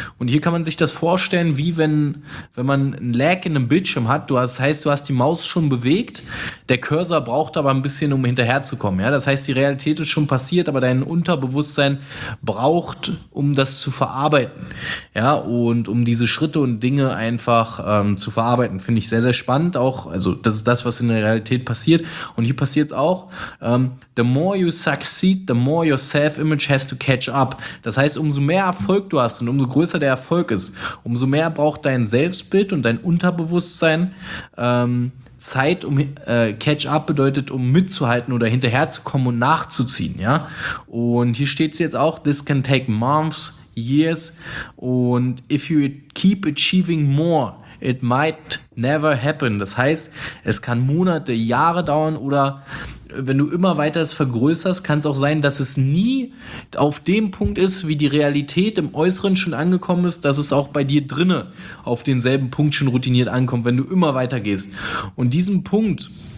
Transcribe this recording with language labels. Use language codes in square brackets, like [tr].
[de] Und hier kann man sich das vorstellen, wie wenn man einen Lag in einem Bildschirm hat, du hast die Maus schon bewegt, der Cursor braucht aber ein bisschen, um hinterherzukommen. Ja? Das heißt, die Realität ist schon passiert, aber dein Unterbewusstsein braucht, um das zu verarbeiten. Ja? Und um diese Schritte und Dinge einfach zu verarbeiten. Finde ich sehr, sehr spannend. Auch, also das ist das, was in der Realität passiert. Und hier passiert es auch. [en] The more you succeed, the more your self-image has to catch up. [de] Das heißt, umso mehr Erfolg du hast und umso größer der Erfolg ist, umso mehr braucht dein Selbstbild und dein Unterbewusstsein Zeit, um Catch-up bedeutet, um mitzuhalten oder hinterherzukommen und nachzuziehen. Ja? Und hier steht es jetzt auch, [en] this can take months, years. Und if you keep achieving more, it might never happen. [de] Das heißt, es kann Monate, Jahre dauern oder wenn du immer weiter es vergrößerst, kann es auch sein, dass es nie auf dem Punkt ist, wie die Realität im Äußeren schon angekommen ist, dass es auch bei dir drinnen auf denselben Punkt schon routiniert ankommt, wenn du immer weiter gehst. Und diesen Punkt,